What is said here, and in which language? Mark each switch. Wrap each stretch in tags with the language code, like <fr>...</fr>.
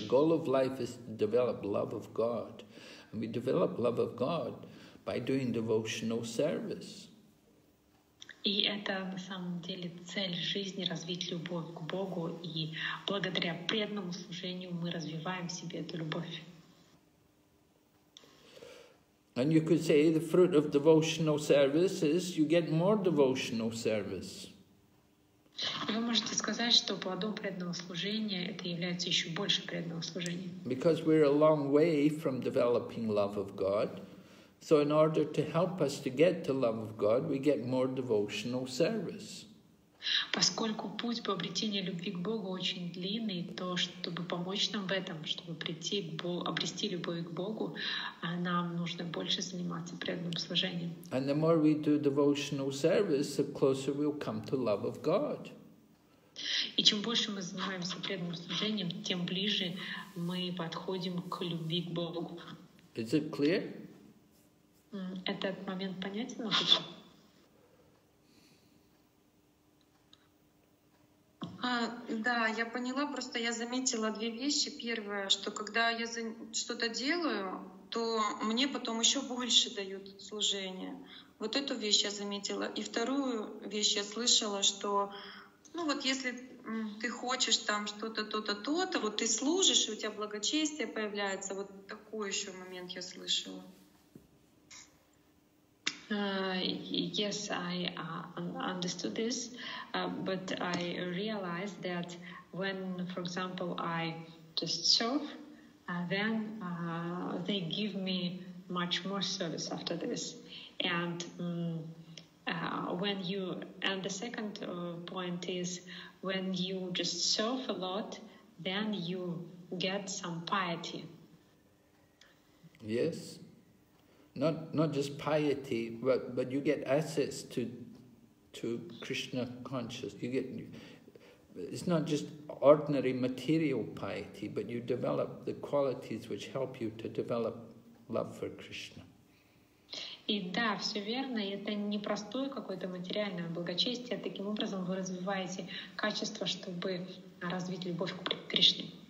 <en>The goal of life is to develop love of God. And we develop love of God by doing devotional service.</en> <ru>И это на самом деле цель жизни, развить любовь к Богу, и благодаря преданному служению мы развиваем в себе эту любовь.</ru> <en>And you could say the fruit of devotional service is you get more devotional service.</en> <ru>Вы можете сказать, что плодом преданного служения это является еще больше преданного служения.</ru> <en>Because we're a long way from developing love of God, so in order to help us to get to love of God, we get more devotional service.</en> <ru>Поскольку путь по обретению любви к Богу очень длинный, то чтобы помочь нам в этом, чтобы прийти к Богу, обрести любовь к Богу, нам нужно больше заниматься преданным служением.</ru> <en>And the more we do devotional service, the closer we'll come to love of God.</en> <ru>И чем больше мы занимаемся преданным служением, тем ближе мы подходим к любви к Богу.</ru> <en>Is it clear?</en> <ru>Этот момент понятен, Лукич? Да, я поняла, просто я заметила две вещи. Первое, что когда я что-то делаю, то мне потом еще больше дают служение. Вот эту вещь я заметила. И вторую вещь я слышала, что, ну вот если ты хочешь там что-то, то-то, то-то, вот ты служишь, и у тебя благочестие появляется. Вот такой еще момент я слышала.</ru> <en>Yes, I understood this, but I realized that when, for example, I just serve, then they give me much more service after this. And when you, and the second point is, when you just serve a lot, then you get some piety. Yes. Not just piety, but you get assets to Krishna consciousness. You get, it's not just ordinary material piety, but you develop the qualities which help you to develop love for Krishna.</en> <ru>И да, все верно. Это не простое какое-то материальное благочестие. Таким образом вы развиваете качество, чтобы развить любовь к Кришне.</ru>